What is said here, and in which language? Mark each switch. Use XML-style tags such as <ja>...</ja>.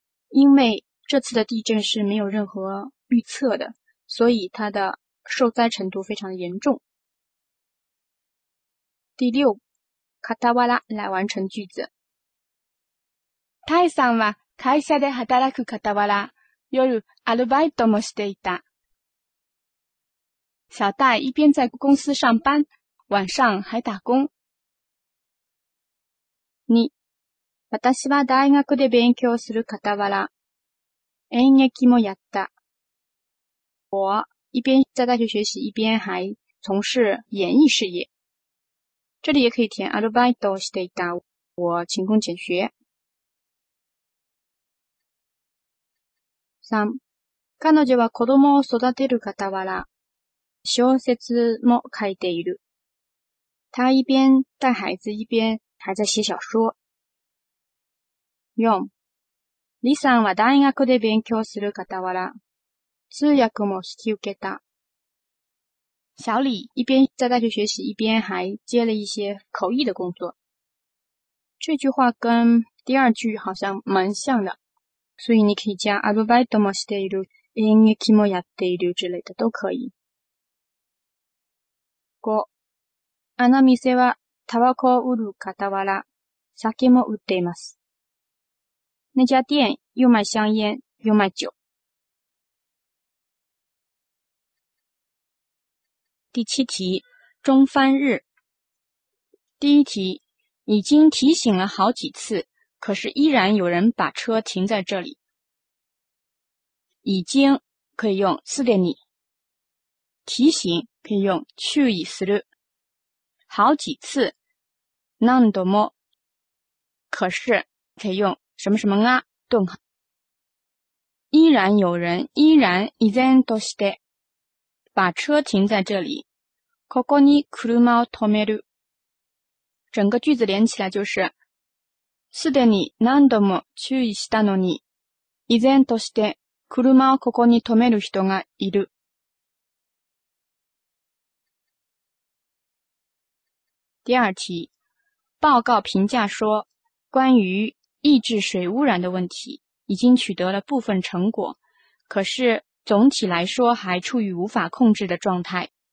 <zh>因为这次的地震是没有任何预测的，所以它的受灾程度非常严重。第六、カタワラ来完成句子。</zh> <ja>タイさんは会社で働く傍ら、夜アルバイトもしていた。</ja> <zh>小戴一边在公司上班，晚上还打工。</zh> <ja>に、私は大学で勉強する傍ら、演劇もやった。</ja> <zh>我一边在大学学习，一边还从事演艺事业。这里也可以填</zh> <ja>アルバイトしていた。</ja> <zh>我勤工俭学。</zh> <ja>三、彼女は子供を育てる傍ら、小説も書いている。</ja> <zh>他一边带孩子一边还在写小说。</zh> <ja>四、李さんは大学で勉強する傍ら、通訳も引き受けた。</ja> <zh>小李一边在大学学习一边还接了一些口译的工作。这句话跟第二句好像蛮像的。所以你可以加</zh> <ja>アルバイトもしている、演劇もやっている</ja> <zh>之类的都可以。</zh> <ja>五、あの店はタバコを売る傍ら、酒も売っています。</ja> <zh>那家店又卖香烟又卖酒。第七题，中翻日。第一题，已经提醒了好几次，可是依然有人把车停在这里。已经可以用</zh> <ja>すでに，</ja> <zh>提醒可以用</zh> <ja>注意する。</ja> <zh>好几次，</zh> <ja>何度も，</ja> <zh>可是可以用什么什么啊？顿号。依然有人依然</zh> <ja>依然として</ja> <zh>把车停在这里。</zh> <ja>ここに車を止める。</ja> <zh>整个句子连起来就是。</zh> <ja>すでに何度も注意したのに、依然として車をここに止める人がいる。</ja> <zh>第二题，报告评价说，关于抑制水污染的问题已经取得了部分成果，可是总体来说还处于无法控制的状态。</zh>